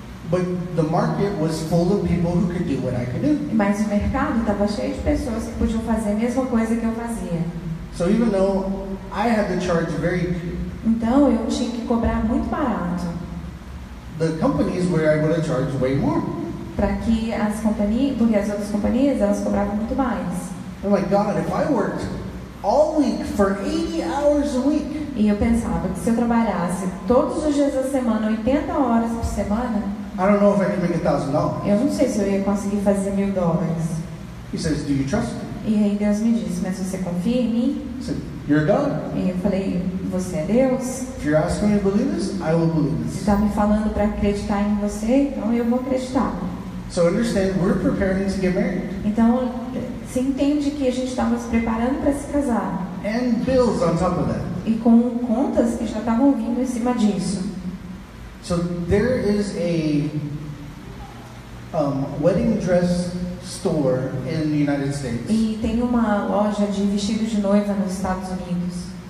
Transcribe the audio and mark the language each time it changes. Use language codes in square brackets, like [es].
[en] But the market was full of people who could do what I could do. [pt] Mas o mercado estava cheio de pessoas que podiam fazer a mesma coisa que eu fazia. [en] So even though I had to charge very [pt] Então eu tinha que cobrar muito barato. [en] The companies were able to charge way more. [pt] Para que as companhias, porque as outras companhias, elas cobravam muito mais. [en] I'm like, God, if I worked all week for 80 hours a week. [pt] E eu pensava que se eu trabalhasse todos os dias da semana 80 horas por semana, [en] I don't know if I can make $1,000. [pt] Eu não sei se eu ia conseguir fazer $1,000. [en] He says, do you trust me? [pt] E aí Deus me disse, mas você confia em mim? [en] I said, you're God. [pt] E eu falei, você é Deus? [en] If you're asking me to believe this, I will believe this. [pt] Se está me falando para acreditar em você, então eu vou acreditar. [en] So understand, we're preparing to get married. [pt] Então, você entende que a gente estava se preparando para se casar. [en] And bills on top of that. [pt] E com contas que já estavam vindo em cima disso. [en] So there is a wedding dress store in the United States. [pt] E tem uma loja de vestidos de noiva nos Estados Unidos.